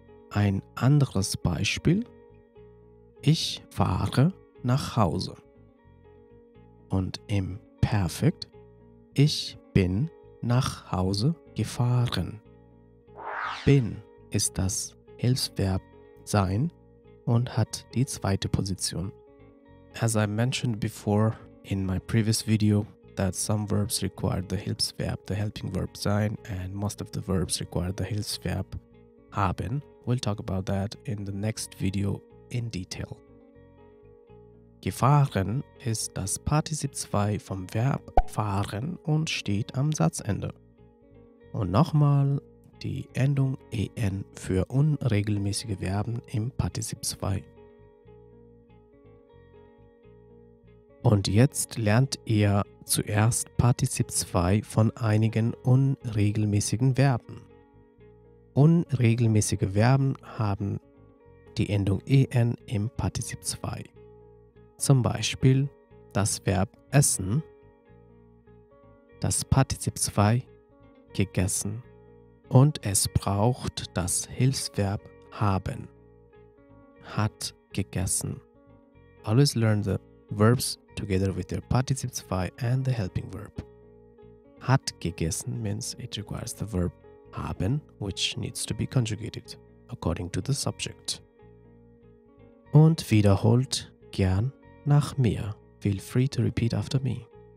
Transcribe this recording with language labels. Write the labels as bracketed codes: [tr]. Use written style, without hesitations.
[de] Ein anderes Beispiel: Ich fahre nach Hause. Und im Perfekt: Ich bin nach Hause gefahren. Bin ist das Hilfsverb sein und hat die zweite Position. [en] As I mentioned before in my previous video, that some verbs require the Hilfsverb, the helping verb sein, and most of the verbs require the Hilfsverb haben. We'll talk about that in the next video in detail. [de] Gefahren ist das Partizip 2 vom Verb fahren und steht am Satzende. Und nochmal die Endung en für unregelmäßige Verben im Partizip 2. Und jetzt lernt ihr zuerst Partizip 2 von einigen unregelmäßigen Verben. Unregelmäßige Verben haben die Endung en im Partizip 2. Zum Beispiel das Verb essen, das Partizip 2 gegessen. Und es braucht das Hilfsverb haben, hat gegessen. [en] Always learn the verbs together with their Partizip 2 and the helping verb. [de] Hat gegessen [en] means it requires the verb haben, which needs to be conjugated according to the subject. [de] Und wiederholt gern nach mir. [en] Feel free to repeat after me.